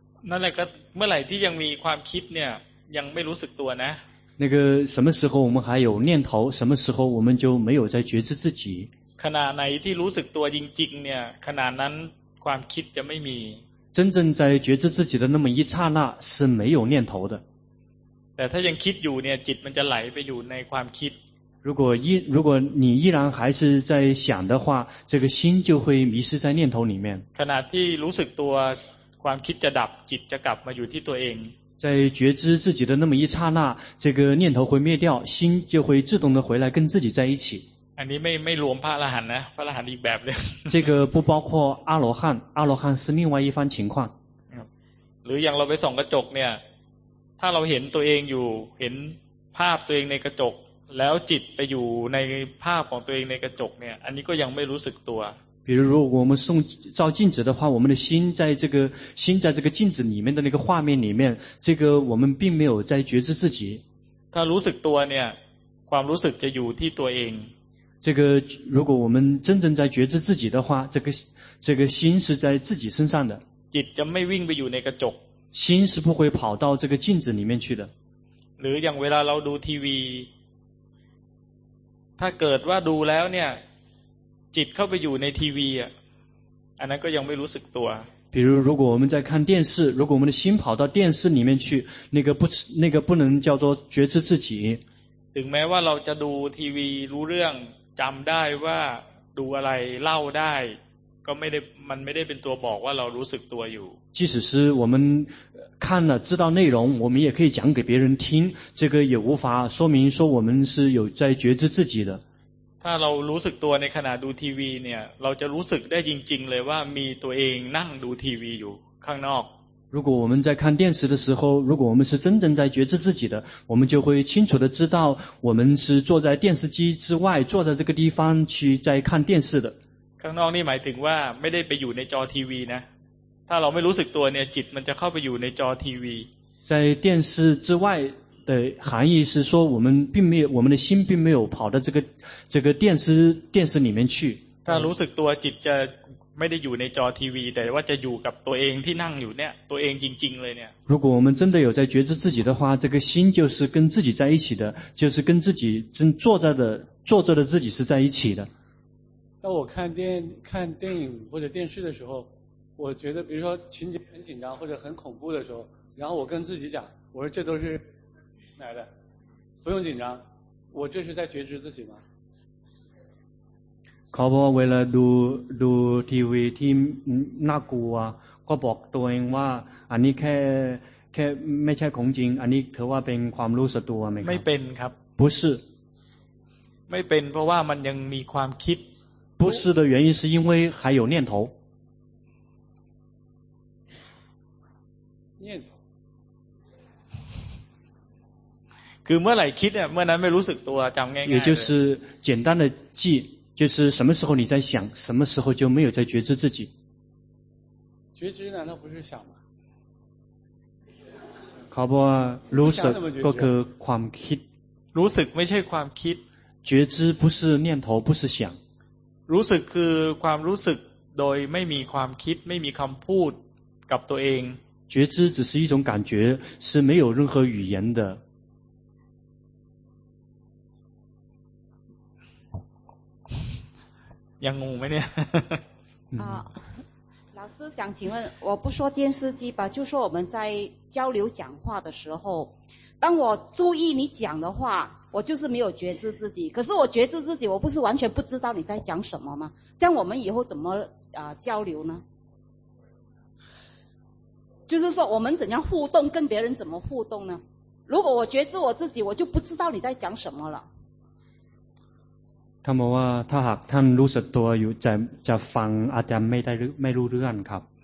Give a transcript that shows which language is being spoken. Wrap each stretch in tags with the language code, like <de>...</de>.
<th>นั่นแหละก็เมื่อไหร่ที่ยังมีความคิดเนี่ยยังไม่รู้สึกตัวนะ</th> <zh>那个什么时候我们还有念头什么时候我们就没有在觉知自己</zh> <th>ขณะไหนที่รู้สึกตัวจริงๆเนี่ยขณะนั้นความคิดจะไม่มี</th> <zh>真正在觉知自己的那么一刹那是没有念头的</zh> <th>แต่ถ้ายังคิดอยู่เนี่ยจิตมันจะไหลไปอยู่ในความคิด</th> <zh>如果你依然还是在想的话这个心就会迷失在念头里面</zh> <th>ขณะที่รู้สึกตัวความคิดจะดับจิตจะกลับมาอยู่ที่ตัวเอง</th> <zh>在觉知自己的那么一刹那这个念头会灭掉心就会自动的回来跟自己在一起</zh> <th>อันนี้ไม่รวมพระอรหันต์นะพระอรหันต์อีกแบบเลย</th> <zh>这个不包括阿罗汉阿罗汉是另外一番情况</zh> <th>หรืออย่างเราไปส่องกระจกเนี่ยถ้าเราเห็นตัวเองอยู่เห็นภาพตัวเองในกระจกแล้วจิตไปอยู่ในภาพของตัวเองในกระจกเนี่ยอันนี้ก็ยังไม่รู้สึกตัว</th> <zh>比如如果我们送照镜子的话我们的心在这个心在这个镜子里面的那个画面里面这个我们并没有在觉知自己</zh> <th>ถ้ารู้สึกตัวเนี่ยความรู้สึกจะอยู่ที่ตัวเอง</th> <zh>这个如果我们真正在觉知自己的话这个心是在自己身上的</zh> <th>จิตจะไม่วิ่งไปอยู่ในกระจก</th> <zh>心是不会跑到这个镜子里面去的</zh> <th>หรืออย่างเวลาเราดูทีวีถ้าเกิดว่าดูแล้วเนี่ยจิตเข้าไปอยู่ในทีวีอันนั้นก็ยังไม่รู้สึกตัว</th> <zh>比如如果我们在看电视如果我们的心跑到电视里面去那个不能叫做觉知自己</zh> <th>ถึงแม้ว่าเราจะดูทีวีรู้เรื่องจำได้ว่าดูอะไรเล่าได้ก็ไม่ได้มันไม่ได้เป็นตัวบอกว่าเรารู้สึกตัวอยู่</th> <zh>即使是我们看了知道内容我们也可以讲给别人听这个也无法说明说我们是有在觉知自己的</zh> <th>ถ้าเรารู้สึกตัวในขณะดูทีวีเนี่ยเราจะรู้สึกได้จริงๆเลยว่ามีตัวเองนั่งดูทีวีอยู่ข้างนอก</th> <zh>如果我们在看电视的时候如果我们是真正在觉知自己的我们就会清楚的知道我们是坐在电视机之外坐在这个地方去在看电视的</zh> <th>ข้างนอกนี่หมายถึงว่าไม่ได้ไปอยู่ในจอทีวีนะถ้าเราไม่รู้สึกตัวเนี่ยจิตมันจะเข้าไปอยู่ในจอทีวี</th> <zh>在电视之外的含义是说我们并没有我们的心并没有跑到这个电视里面去</zh> <th>ถ้ารู้สึกตัวจิตจะไม่ได้อยู่ในจอทีวีแต่ว่าจะอยู่กับตัวเองที่นั่งอยู่เนี่ยตัวเองจริงๆเลยเนี่ย</th> <zh>如果我们真的有在觉知自己的话这个心就是跟自己在一起的就是跟自己正坐着的自己是在一起的那我看电影或者电视的时候我觉得比如说情节很紧张或者很恐怖的时候然后我跟自己讲我说这都是来的不用紧张我这是在觉知自己吗</zh> <th>เขาบอกเวลาดูทีวีที่น่ากลัวก็บอกตัวเองว่าอันนี้แค่ไม่ใช่ของจริงอันนี้เธอว่าเป็นความรู้สึกตัวไหม ไม่เป็นครับ</th> <zh>不是</zh> <th>ไม่เป็นเพราะว่ามันยังมีความคิด</th> <zh>不是的原因是因为还有念头念头</zh> <th>คือเมื่อไหร่คิดเนี่ยเมื่อนั้นไม่รู้สึกตัวจำง่ายๆ</th> <zh>也就是简单的记就是什么时候你在想什么时候就没有在觉知自己觉知难道不是想吗</zh> <th>เขาบอกว่ารู้สึกก็คือความคิด รู้สึกไม่ใช่ความคิด</th> <zh>觉知不是念头不是想</zh> <th>รู้สึกคือความรู้สึกโดยไม่มีความคิดไม่มีคำพูดกับตัวเอง</th> <zh>觉知只是一种感觉是没有任何语言的</zh> <th>ยังงงไหมเนี่ย</th> <zh>老师想请问我不说电视机吧就说我们在交流讲话的时候当我注意你讲的话我就是没有觉知自己可是我觉知自己我不是完全不知道你在讲什么吗这样我们以后怎么交流呢就是说我们怎样互动跟别人怎么互动呢如果我觉知我自己我就不知道你在讲什么了</zh> <th>ท่านบอกว่าถ้าหากท่านรู้สึกตัวอยู่จะฟังอาจจะไม่รู้เรื่องครับ</th>